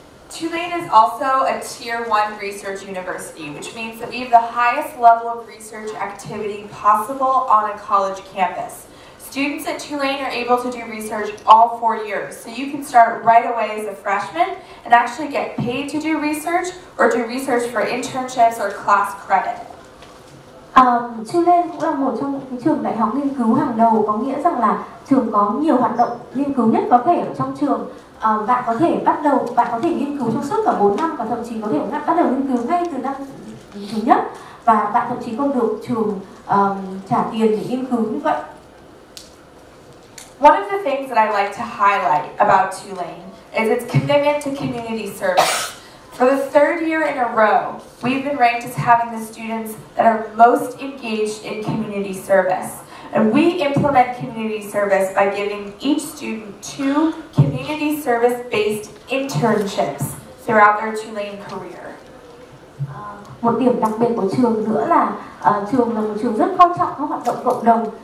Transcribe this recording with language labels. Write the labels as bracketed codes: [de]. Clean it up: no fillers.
[en] Tulane is also a tier 1 research university, which means that we have the highest level of research activity possible on a college campus. Students at Tulane are able to do research all 4 years, so you can start right away as a freshman and actually get paid to do research or do research for internships or class credit. [vi] Tulane cũng là một trong những trường đại học nghiên cứu hàng đầu, có nghĩa rằng là trường có nhiều hoạt động nghiên cứu nhất có thể ở trong trường. Bạn có thể nghiên cứu trong suốt cả 4 năm và thậm chí có thể bắt đầu nghiên cứu ngay từ năm thứ nhất, và bạn thậm chí không được trường trả tiền để nghiên cứu như vậy. [en] One of the things that I like to highlight about Tulane is its commitment to community service. For the third year in a row, we've been ranked as having the students that are most engaged in community service. And we implement community service by giving each student 2 community service-based internships throughout their Tulane career. [vi] Một điểm đặc biệt của trường nữa là trường là một trường rất quan trọng các hoạt động cộng đồng.